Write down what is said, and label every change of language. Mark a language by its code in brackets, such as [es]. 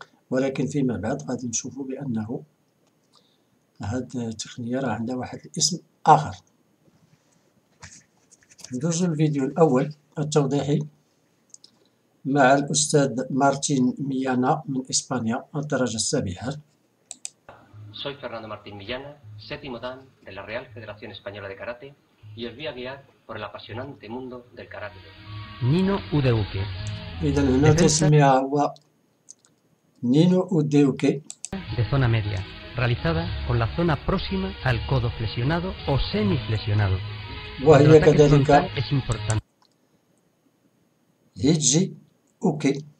[ar] ولكن فيما بعد غادي نشوفوا بأنه هذه التقنية راه عندها واحد الاسم آخر. ندوزو الفيديو الأول التوضيحي مع الأستاذ مارتين ميانا من إسبانيا الدرجة السابعة. [es] Soy Fernando Martín Millana, séptimo dan de la Real Federación Española de Karate y os voy a guiar por el apasionante mundo del karate. [ja] Nino Udeuke. [ar] إذن هنا تسميها هو Nino Udeuke. [es] De zona media, realizada con la zona próxima al codo flexionado o semiflexionado. [ar] وهي كذلك [es] es importante. [ja] Hiji Uke.